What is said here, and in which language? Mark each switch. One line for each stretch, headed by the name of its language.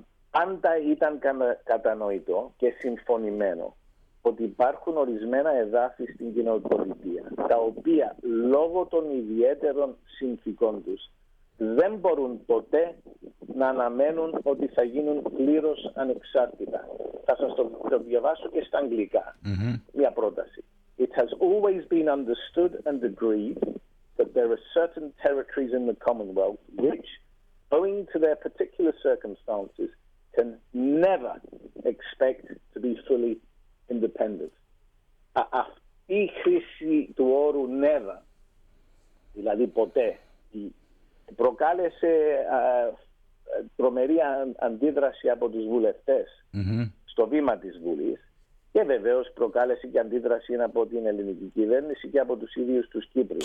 Greek: Πάντα ήταν κατανοητό και συμφωνημένο ότι υπάρχουν ορισμένα εδάφη στην κοινοπολιτεία, τα οποία λόγω των ιδιαίτερων συνθήκων τους δεν μπορούν ποτέ να αναμένουν ότι θα γίνουν πλήρως ανεξάρτητα. Θα σας το διαβάσω και στα αγγλικά. Μια πρόταση.
English: It has always been understood and agreed that there are certain territories in the Commonwealth which, owing to their particular circumstances, can never expect to be fully independent.
Greek: Αυτή η χρήση του όρου never, δηλαδή ποτέ, προκάλεσε τρομερή αντίδραση από τους βουλευτές στο βήμα της Βουλής και βεβαίως προκάλεσε και αντίδραση από την ελληνική κυβέρνηση και από τους ίδιους τους Κύπριους.